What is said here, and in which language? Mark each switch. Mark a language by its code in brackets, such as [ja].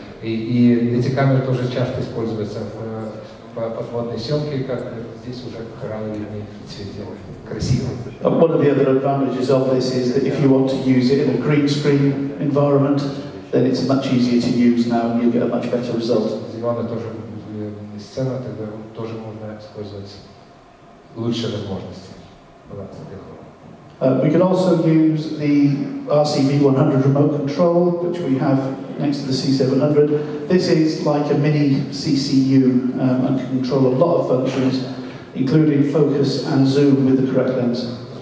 [ru] И эти камеры тоже часто используются в подводной съемке, как здесь уже коралловидные цвета. Красиво. [en] One of the other advantages of this is that if you want to use it in a green screen environment, then it's much easier to use now and you'll get a much better result. [ru] Зеленая тоже будет сцена, тогда тоже можно использовать лучшие возможности баланса белого. [en] We can also use the RCV100 remote control, which we have next to the C700. This is like a mini CCU and can control a lot of functions, including focus and zoom with the correct lens.